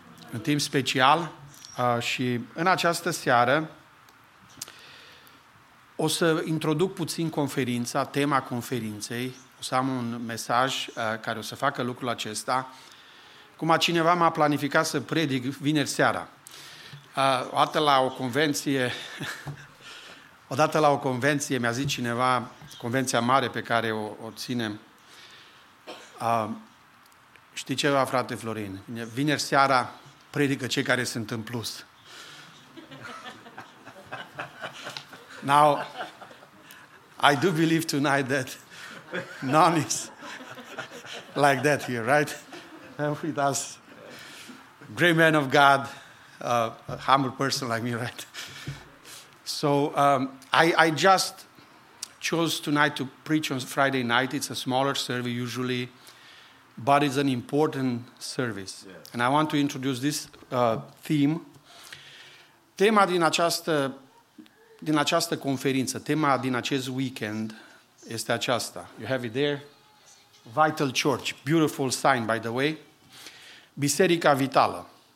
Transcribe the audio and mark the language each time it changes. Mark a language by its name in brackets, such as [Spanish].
[Romanian] În timp special și în această seară o să introduc puțin conferința, tema conferinței, o să am un mesaj care o să facă lucrul acesta, cum a cineva m-a planificat să predic vineri seara. O dată la o convenție Odată la o convenție mi-a zis cineva, convenția mare pe care o ținem, știi ceva, frate Florin, vineri seara predică cei care sunt în plus. [English] Now, I do believe tonight that none is like that here, right? With us, great man of God, a humble person like me, right? So I just chose tonight to preach on Friday night. It's a smaller service usually, but it's an important service. Yes. And I want to introduce this theme. [Romanian] Tema din această conferință, tema din acest weekend este aceasta. [English] You have it there. Vital Church. Beautiful sign, by the way. [Romanian] Biserica Vitală.